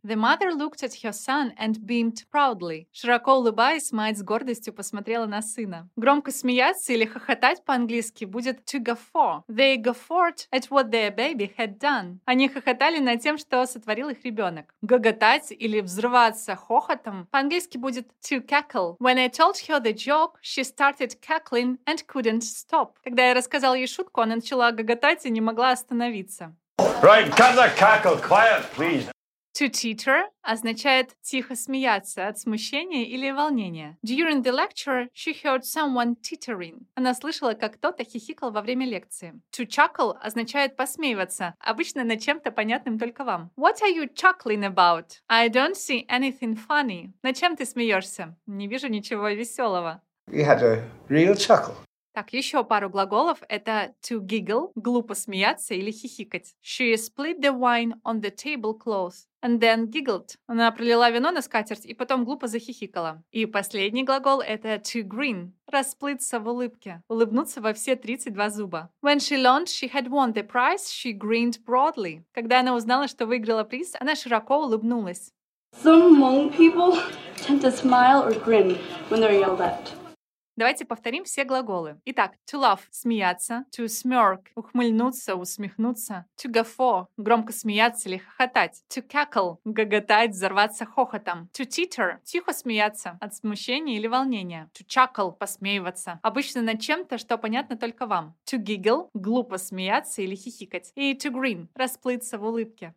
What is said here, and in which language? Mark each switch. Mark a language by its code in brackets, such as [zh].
[en] The mother looked at her son and beamed proudly. [ru] Широко улыбаясь, мать с гордостью посмотрела на сына. Громко смеяться или хохотать по-английски будет [en] to guffaw. They guffawed at what their baby had done. [ru] Они хохотали над тем, что сотворил их ребенок. Гоготать или взрываться хохотом по-английски будет [en] to cackle. When I told her the joke, she started cackling and couldn't stop. [ru] Когда я рассказал ей шутку, она начала гоготать и не могла остановиться. [en] Right, cut the cackle. Quiet, please. To teeter [ru] означает тихо смеяться от смущения или волнения. [en] During the lecture, she heard someone tittering. [ru] Она слышала, как кто-то хихикал во время лекции. [en] To chuckle [ru] означает посмеиваться, обычно над чем-то понятным только вам. [en] What are you chuckling about? I don't see anything funny. [ru] Над чем ты смеешься? Не вижу ничего веселого. [en] You had a real chuckle. [ru] Так, еще пару глаголов. Это [en] to giggle, [ru] глупо смеяться или хихикать. [en] She split the wine on the tablecloth and then giggled. [ru] Она пролила вино на скатерть и потом глупо захихикала. И последний глагол – это [en] to grin, [ru] расплыться в улыбке, улыбнуться во все 32 зуба. [en] When she learned she had won the prize, she grinned broadly. [ru] Когда она узнала, что выиграла приз, она широко улыбнулась. [en] Some Hmong people tend to smile or grin when they're yelled at. [ru] Давайте повторим все глаголы. Итак, [en] to laugh [ru] – смеяться, [en] to smirk [ru] – ухмыльнуться, усмехнуться, [en] to guffaw [ru] – громко смеяться или хохотать, [en] to cackle [ru] – гоготать, взорваться хохотом, [en] to titter [ru] – тихо смеяться от смущения или волнения, [en] to chuckle [ru] – посмеиваться, обычно над чем-то, что понятно только вам, [en] to giggle [ru] – глупо смеяться или хихикать, и [en] to grin [ru] – расплыться в улыбке.